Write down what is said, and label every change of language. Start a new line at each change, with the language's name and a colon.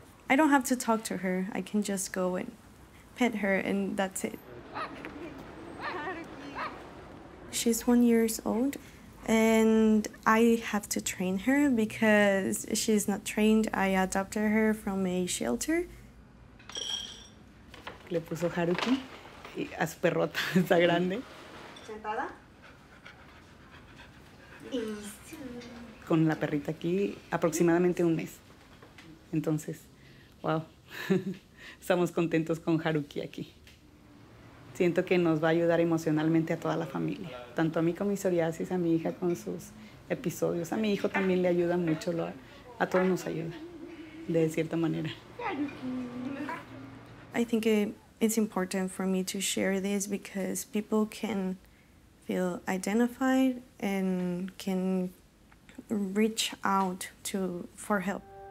English: I don't have to talk to her. I can just go and pet her and that's it. She's 1 year old and I have to train her because she's not trained. I adopted her from a shelter.
Spanish: Le puso Haruki y a su perrota está grande. Sentada. Con la perrita aquí aproximadamente un mes. Entonces, wow, estamos contentos con Haruki aquí. Siento que nos va a ayudar emocionalmente a toda la familia, tanto a mí con mi psoriasis, a mi hija con sus episodios. A mi hijo también le ayuda mucho, a todos nos ayuda, de cierta manera.
English: I think it's important for me to share this because people can feel identified and can reach out for help.